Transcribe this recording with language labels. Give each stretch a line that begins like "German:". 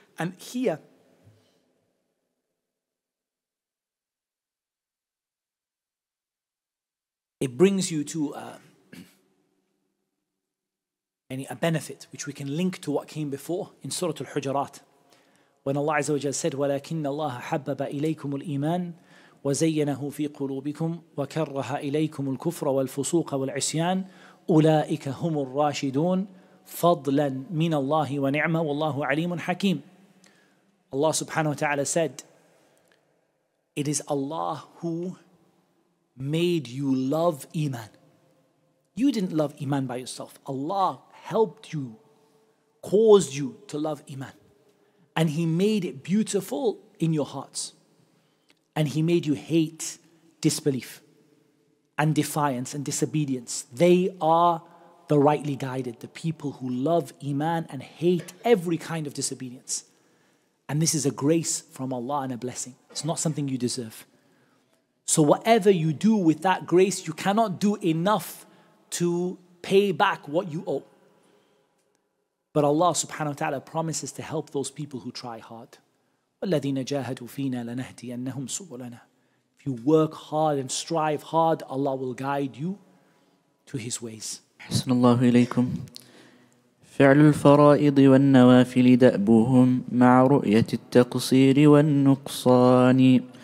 English: And here, it brings you to a benefit, which we can link to what came before in Surah Al-Hujurat. when Allah Azza wa Jalla said,
Arabic: وَلَكِنَّ اللَّهَ حَبَّبَ إِلَيْكُمُ الْإِيمَانِ وَزَيَّنَهُ فِي قُلُوبِكُمْ وَكَرَّهَ إِلَيْكُمُ الْكُفْرَ وَالْفُسُوقَ وَالْعِسْيَانِ أُولَٰئِكَ هُمُ الرَّاشِدُونَ فَضْلًا مِنَ اللَّهِ وَنِعْمَ وَاللَّهُ عَلِيمٌ حَكِيمٌ.
English: Allah subhanahu wa ta'ala said, it is Allah who made you love Iman. You didn't love Iman by yourself. Allah helped you, caused you to love Iman. And He made it beautiful in your hearts. And He made you hate disbelief and defiance and disobedience. They are the rightly guided, the people who love Iman and hate every kind of disobedience. And this is a grace from Allah and a blessing. It's not something you deserve. So whatever you do with that grace, you cannot do enough to pay back what you owe. But Allah subhanahu wa ta'ala promises to help those people who try hard.
Arabic: وَالَّذِينَ جَاهَدُوا فِينَا لَنَهْدِيَنَّهُمْ سُبُلَنَا.
English: If you work hard and strive hard, Allah will guide you to His ways.
Arabic: أحسن الله إليكم. فعل الفرائض والنوافل دأبهم مع رؤية التقصير والنقصان.